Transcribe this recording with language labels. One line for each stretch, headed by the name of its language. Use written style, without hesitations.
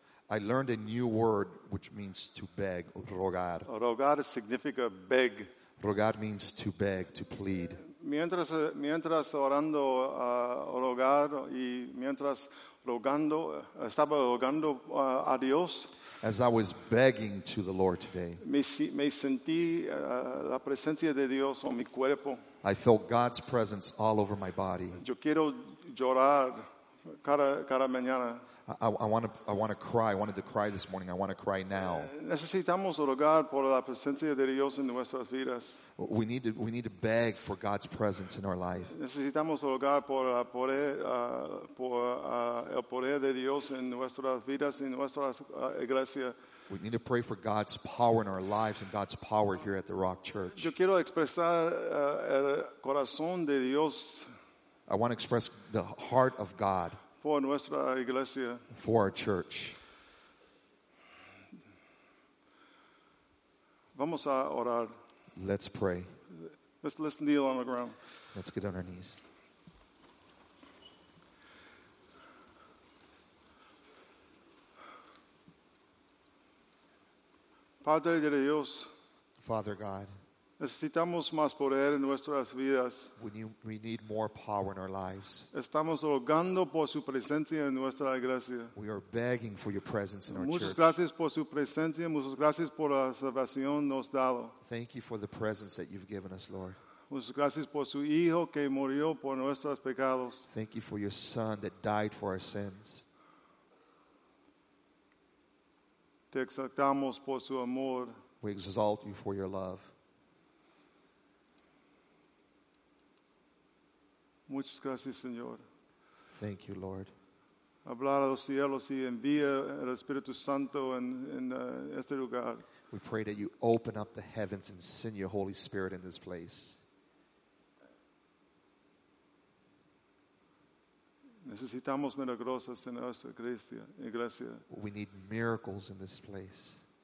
English: I learned a new word, which means to beg, rogar.
Spanish: Rogar significa beg.
English: Rogar means to beg, to plead.
Spanish: Mientras orando, rogar, y mientras rogando, estaba rogando a Dios.
English: As I was begging to the Lord today,
Spanish: me sentí la presencia de Dios en mi cuerpo.
English: I felt God's presence all over my body.
Spanish: Yo quiero llorar cada mañana.
English: I want to cry. I wanted to cry this morning. I want to cry now.
Spanish: Necesitamos orar por la presencia de Dios en nuestras vidas.
English: We need to beg for God's presence in our life.
Spanish: Necesitamos orar por el poder de Dios en nuestras vidas y nuestra iglesia.
English: We need to pray for God's power in our lives and God's power here at the Rock Church.
Spanish: Yo quiero expresar el corazón de Dios.
English: I want to express the heart of God. For
Spanish: nuestra iglesia.
English: For our church.
Spanish: Vamos a orar.
English: Let's pray. Let's kneel on the ground. Let's get on our knees.
Spanish: Padre de Dios.
English: Father God.
Spanish: Necesitamos más poder en nuestras vidas.
English: We need more power in our lives.
Spanish: Estamos rogando por su presencia en nuestra iglesia.
English: We are begging for your presence in our
Spanish: muchas
English: church.
Spanish: Muchas gracias por su presencia. Muchas gracias por la salvación nos dado.
English: Thank you for the presence that you've given us, Lord.
Spanish: Muchas gracias por su hijo que murió por nuestros pecados.
English: Thank you for your son that died for our sins.
Spanish: Te exaltamos por su amor.
English: We exalt you for your love.
Spanish: Muchas gracias, Señor.
English: Thank you, Lord.
Spanish: Hablar a los cielos y envía el Espíritu Santo en este lugar.
English: We pray that you open up the heavens and send your Holy Spirit in this place.
Spanish: Necesitamos milagros en nuestra iglesia.
English: We need miracles in this place.